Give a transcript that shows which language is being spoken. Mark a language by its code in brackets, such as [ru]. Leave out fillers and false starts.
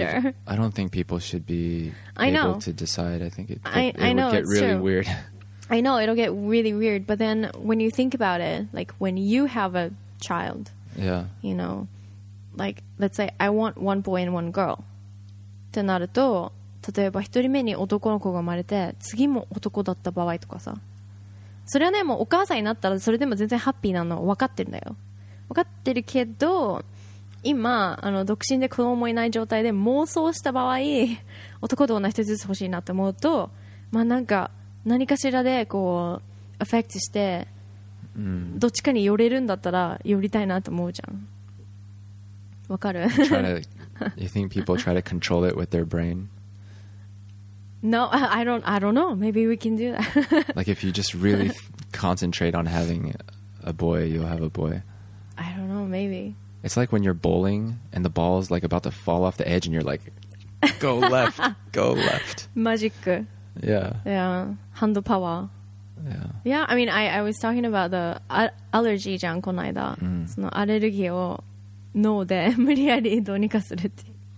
[en] I don't think people should be able to decide. I think it I know, would get really weird. I know it'll get really weird, but then when you think about it, like when you have a child, yeah, you know, like let's say I want one boy and one girl. [ja] ってなると、例えば一人目に男の子が生まれて、次も男だった場合とかさ、それはね、もうお母さんになったらそれでも全然ハッピーなの分かってるんだよ。分かってるけど、今あの独身で子供もいない状態で妄想した場合、男と女一人ずつ欲しいなって思うと、まあなんか何かしらでこうアフェクトして、うん、どっちかに寄れるんだったら寄りたいなと思うじゃん。わかる。 [en] You think people try to control it with their brain? No, I don't know. Maybe we can do that. Like if you just really concentrate on having a boy, you'll have a boy. I don't know, maybe. It's like when you're bowling and the ball is like about to fall off the edge and you're like, go left, go left. Magic. Yeah. Yeah. Hand power. Yeah. Yeah, I mean, I was talking about the allergy, [ja] じゃん、この間。そのアレルギーを。脳で無理やりどうにかするっていう。